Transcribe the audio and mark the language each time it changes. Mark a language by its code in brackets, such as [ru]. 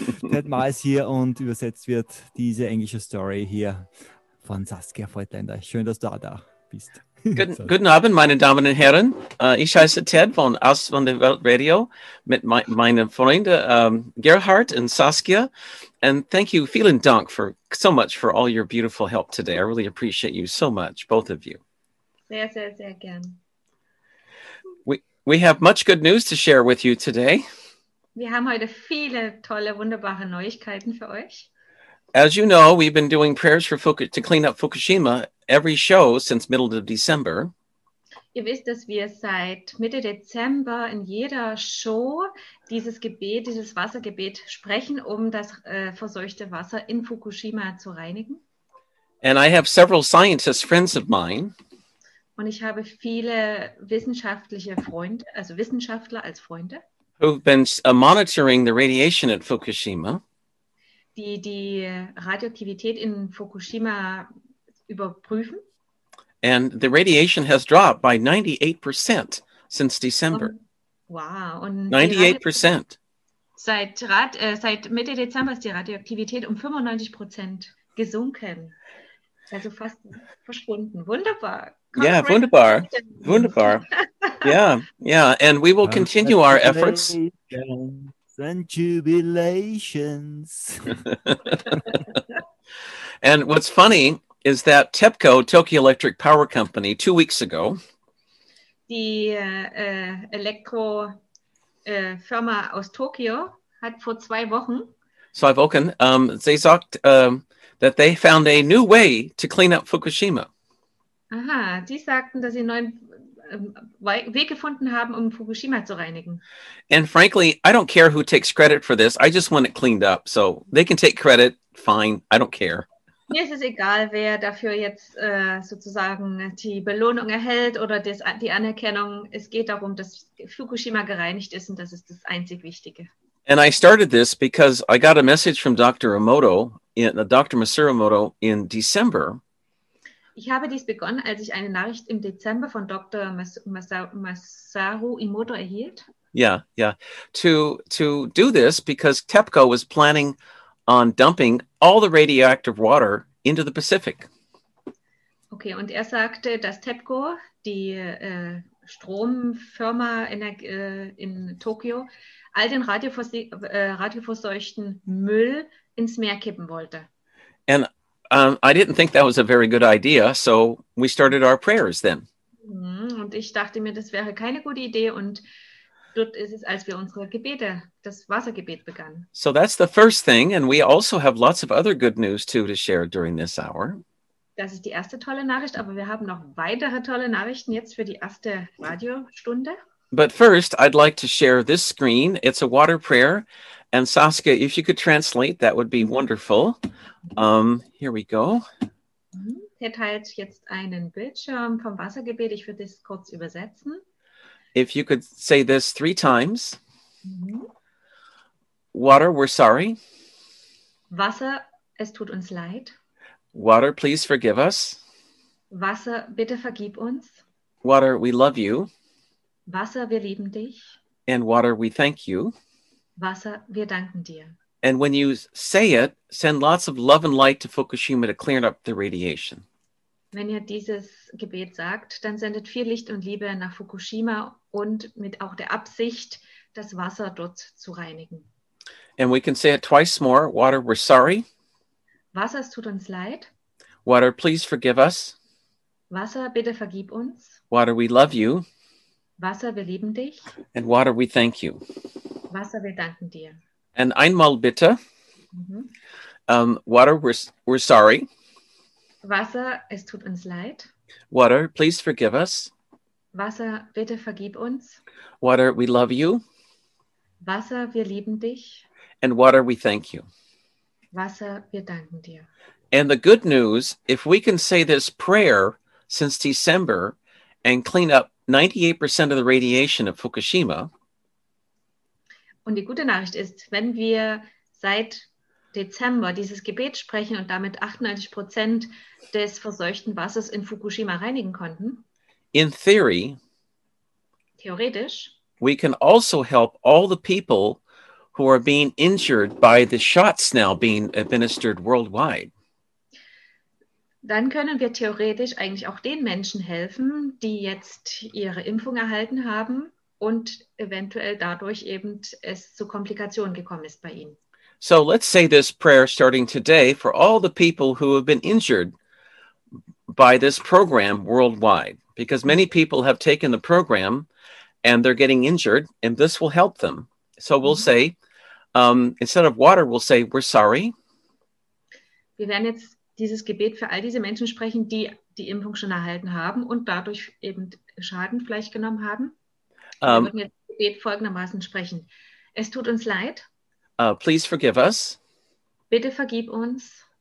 [de] Tadmar ist hier und übersetzt wird diese englische Story hier von Saskia Voigtländer. Schön, dass du da bist. Guten Abend, meine Damen und Herren. Ich heiße Ted von Aus von der Welt Radio mit meinen Freunden Gerhard und Saskia. [en] And thank you, [de] vielen Dank [en] for so much for all your beautiful help today. I really appreciate you so much, both of you. [de] Sehr, sehr, sehr gern. [en] We have much good news to share with you today. [de] Wir haben heute viele tolle, wunderbare Neuigkeiten für euch. [en] As you know, we've been doing prayers for to clean up Fukushima every show since middle of December. [de] Ihr wisst, dass wir seit Mitte Dezember in jeder Show dieses Gebet, dieses Wassergebet sprechen, um das verseuchte Wasser in Fukushima zu reinigen. [en] And I have several scientist friends of mine. [de] Und ich habe viele wissenschaftliche Freunde, also Wissenschaftler als Freunde. [en] Who've been monitoring the radiation at Fukushima. [de] Die Radioaktivität in Fukushima überprüfen. [en] And the radiation has dropped by 98% since December. [de] Wow. Und 98%. Seit Mitte Dezember ist die Radioaktivität um 95% gesunken. Also fast verschwunden. Wunderbar. [en] Yeah, [de] wunderbar. Wunderbar. [en] Yeah, yeah. And we will continue our efforts. And jubilations. And what's funny is that TEPCO, Tokyo Electric Power Company, 2 weeks ago. [de] Die Elektro Firma aus Tokio hat vor zwei Wochen. [en] So I've woken. They [de] sagt [en] that they found a new way to clean up Fukushima. [de] Aha, die sagten, dass sie einen neuen Weg gefunden haben, um Fukushima zu reinigen. [en] And frankly, I don't care who takes credit for this. I just want it cleaned up. So they can take credit, fine. I don't care. [de] Mir ist es egal, wer dafür jetzt sozusagen die Belohnung erhält oder die Anerkennung. Es geht darum, dass Fukushima gereinigt ist und das ist das einzig Wichtige. [en] And I started this because I got a message from Dr. Masaru Emoto in December. [de] Ich habe dies begonnen, als ich eine Nachricht im Dezember von Dr. Masaru Emoto erhielt. [en] Yeah. To do this because TEPCO was planning on dumping all the radioactive water into the Pacific. [de] Okay, und er sagte, dass TEPCO, die Stromfirma in Tokio, all den radioverseuchten Müll ins Meer kippen wollte. [en] And I didn't think that was a very good idea, so we started our prayers then. [de] Und ich dachte mir, das wäre keine gute Idee, und dort ist es, als wir unsere Gebete, das Wassergebet begannen. [en] So that's the first thing, and we also have lots of other good news too to share during this hour. [de] Das ist die erste tolle Nachricht, aber wir haben noch weitere tolle Nachrichten jetzt für die erste Radiostunde. [en] But first, I'd like to share this screen. It's a water prayer. And Saskia, if you could translate, that would be wonderful. Here we go. [de] Ted teilt jetzt einen Bildschirm vom Wassergebet. Ich würde das kurz übersetzen. [en] If you could say this three times. Mm-hmm. Water, we're sorry. [de] Wasser, es tut uns leid. [en] Water, please forgive us. [de] Wasser, bitte vergib uns. [en] Water, we love you. [de] Wasser, wir lieben dich. [en] And water, we thank you. [de] Wasser, wir danken dir. [en] And when you say it, send lots of love and light to Fukushima to clear up the radiation. [de] Wenn ihr dieses Gebet sagt, dann sendet viel Licht und Liebe nach Fukushima und mit auch der Absicht, das Wasser dort zu reinigen. [en] And we can say it twice more. Water, we're sorry. [de] Wasser, es tut uns leid. [en] Water, please forgive us. [de] Wasser, bitte vergib uns. [en] Water, we love you. [de] Wasser, wir lieben dich. [en] And water, we thank you. [de] Wasser, wir danken dir. [en] And [de] einmal bitte. [en] Mm-hmm. Water, we're sorry. [de] Wasser, es tut uns leid. [en] Water, please forgive us. [de] Wasser, bitte vergib uns. [en] Water, we love you. [de] Wasser, wir lieben dich. [en] And water, we thank you. [de] Wasser, wir danken dir. [en] And the good news, if we can say this prayer since December and clean up 98% of the radiation of Fukushima. [de] Und die gute Nachricht ist, wenn wir seit Dezember dieses Gebet sprechen und damit 98% des verseuchten Wassers in Fukushima reinigen konnten. [en] In theory, [de] theoretisch, [en] we can also help all the people who are being injured by the shots now being administered worldwide. [de] Dann können wir theoretisch eigentlich auch den Menschen helfen, die jetzt ihre Impfung erhalten haben und eventuell dadurch eben es zu Komplikationen gekommen ist bei ihnen. [en] So let's say this prayer starting today for all the people who have been injured by this program worldwide, because many people have taken the program and they're getting injured, and this will help them. So we'll say, instead of water, we'll say, we're sorry. [de] Wir werden jetzt dieses Gebet für all diese Menschen sprechen, die die Impfung schon erhalten haben und dadurch eben Schaden vielleicht genommen haben. Wir würden jetzt das Gebet folgendermaßen sprechen. Es tut uns leid. [en] Please forgive us. [de] Bitte vergib uns.